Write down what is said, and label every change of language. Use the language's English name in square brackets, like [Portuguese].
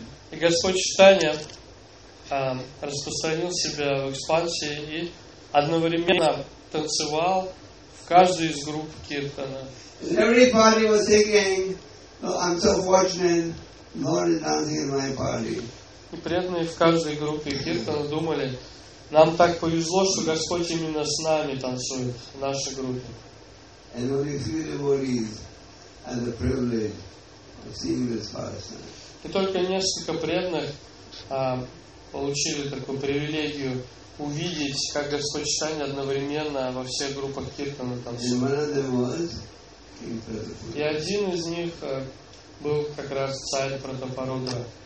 [Russian] И Господь Читания распространил себя в экспансии и одновременно танцевал в каждой из групп киртана. [English] Every party was thinking, oh, I'm so fortunate, Lord is dancing in my party. [Russian] И преданные в каждой группе киртана думали, нам так повезло, что Господь именно с нами танцует в нашей группе. [English] And only few devotees had the privilege of seeing this person. [Russian] И только несколько преданных получили такую привилегию увидеть, как Господь Читания одновременно во всех группах киртана танцует. И один из них был как раз царь Пратапарудра.